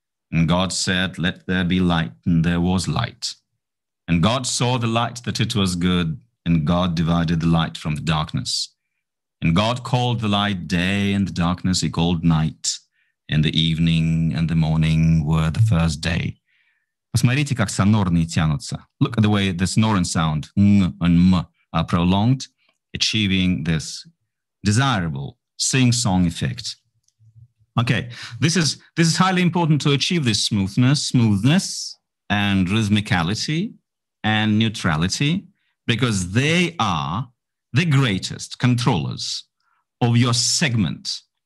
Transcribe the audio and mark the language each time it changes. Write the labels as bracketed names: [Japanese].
[English] And God said, let there be light, and there was light. And God saw the light that it was good, and God divided the light from the darkness. And God called the light day, and the darkness he called night. And the evening and the morning were the first day. [Russian] Посмотрите, как сонорные тянутся. [English] Look at the way the sonoran sound, ng and m, are prolonged, achieving this desirable sing-song effect. Okay, this is highly important to achieve this smoothness and rhythmicality and neutrality, because they are the greatest controllers of your segment.